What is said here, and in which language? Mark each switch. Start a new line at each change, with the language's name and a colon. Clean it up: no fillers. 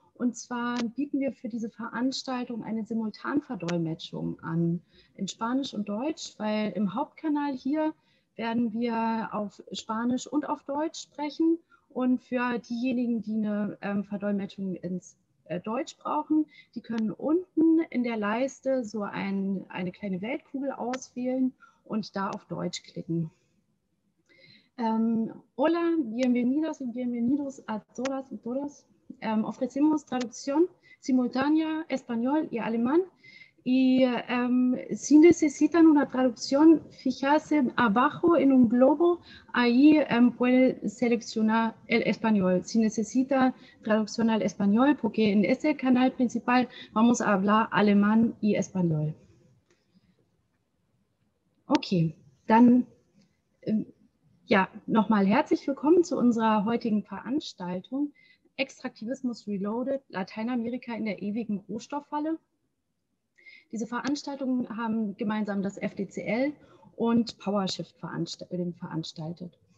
German: Und zwar bieten wir für diese Veranstaltung eine Simultanverdolmetschung an in Spanisch und Deutsch, weil im Hauptkanal hier werden wir auf Spanisch und auf Deutsch sprechen. Und für diejenigen, die eine Verdolmetschung ins Deutsch brauchen, die können unten in der Leiste so eine kleine Weltkugel auswählen und da auf Deutsch klicken.
Spanish: Hola, bienvenidos y bienvenidos a todas y todos. Ofrecemos traducción simultánea, español y alemán. Y si necesitan una traducción, fijarse abajo en un globo, ahí puede seleccionar el español. Si necesita traducción al español, porque en este canal principal vamos a hablar alemán y español.
German: Okay, dann ja, nochmal herzlich willkommen zu unserer heutigen Veranstaltung. Extraktivismus Reloaded, Lateinamerika in der ewigen Rohstofffalle. Diese Veranstaltungen haben gemeinsam das FDCL und PowerShift veranstaltet.